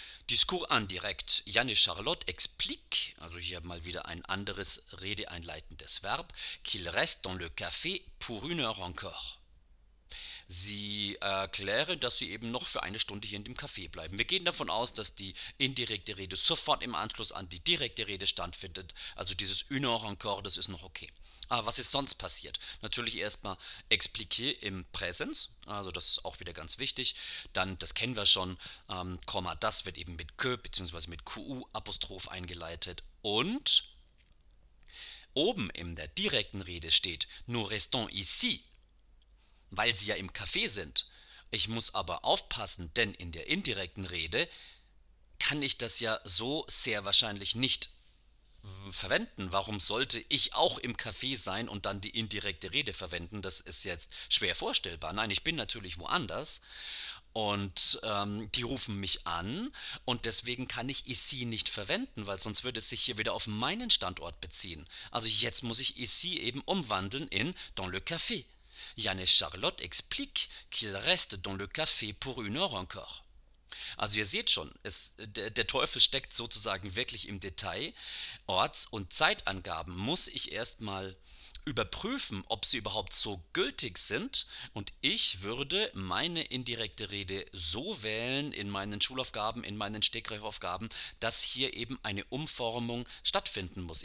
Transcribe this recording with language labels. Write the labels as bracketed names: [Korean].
[French] Discours indirect, Jan et Charlotte expliquent, [German] also hier mal wieder ein anderes redeeinleitendes Verb, [French] qu'ils restent dans le café pour une heure encore. [German] Sie erklären, dass sie eben noch für eine Stunde hier in dem Café bleiben. Wir gehen davon aus, dass die indirekte Rede sofort im Anschluss an die direkte Rede stattfindet. Also dieses [French] une heure encore, [German] das ist noch okay. Aber was ist sonst passiert? Natürlich erstmal expliquer im Präsens, also das ist auch wieder ganz wichtig. Dann, das kennen wir schon, Komma, das wird eben mit que bzw. mit qu-Apostroph eingeleitet. Und oben in der direkten Rede steht, [French] nous restons ici. [German] Weil sie ja im Café sind. Ich muss aber aufpassen, denn in der indirekten Rede kann ich das ja so sehr wahrscheinlich nicht verwenden. Warum sollte ich auch im Café sein und dann die indirekte Rede verwenden? Das ist jetzt schwer vorstellbar. Nein, ich bin natürlich woanders und die rufen mich an und deswegen kann ich ici nicht verwenden, weil sonst würde es sich hier wieder auf meinen Standort beziehen. Also jetzt muss ich ici eben umwandeln in [French] dans le café. Jan et Charlotte explique qu'il reste dans le café pour une heure encore. [German] Also ihr seht schon, der Teufel steckt sozusagen wirklich im Detail. Orts- und Zeitangaben muss ich erstmal überprüfen, ob sie überhaupt so gültig sind. Und ich würde meine indirekte Rede so wählen in meinen Schulaufgaben, in meinen Stegreifaufgaben, dass hier eben eine Umformung stattfinden muss.